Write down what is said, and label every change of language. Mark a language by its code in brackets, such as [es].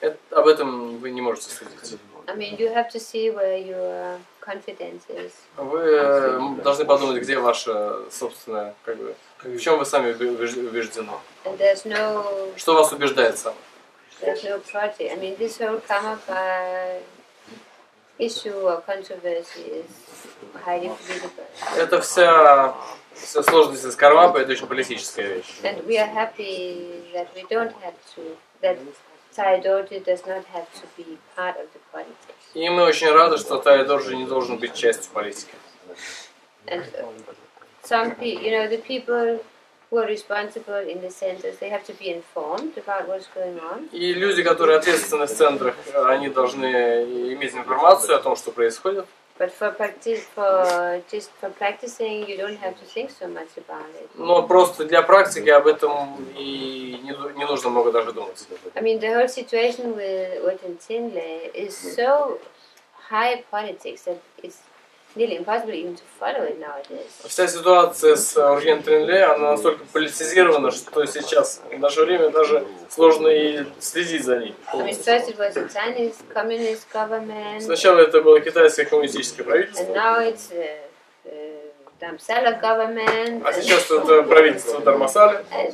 [ru] Об этом вы не можете судить. [en] I mean, you have to see where your confidence is. [ru] Вы должны подумать, где ваше собственное, как бы, в чем вы сами убеждены. [en] And there's no. [ru] Что вас убеждает сам? [en] There's no party. I mean, this whole karma issue or controversy is highly political. [ru] Это вся. Все сложности с кармапой — это очень политическая вещь. [en] And we are happy that we don't have to, that Thai Dorje does not have to be part of the politics. [ru] И мы очень рады, что Thai Dorje не должен быть частью политики. [en] And some people, you know, the people who are responsible in the centers, they have to be informed about what's going on. [ru] И люди, которые ответственны в центрах, они должны иметь информацию о том, что происходит. [en] But for practice, for practicing, you don't have to think so much about it. [ru] Но просто для практики об этом и не нужно много даже думать. [en] I mean, the whole situation with Tinle is so high politics that it's nearly impossible even to follow it nowadays. [ru] Вся ситуация с Ургентом Тинле, она настолько политизирована, что сейчас в наше время даже сложно и следить за ней. Сначала это было китайское коммунистическое правительство. А сейчас это правительство Дармасалы.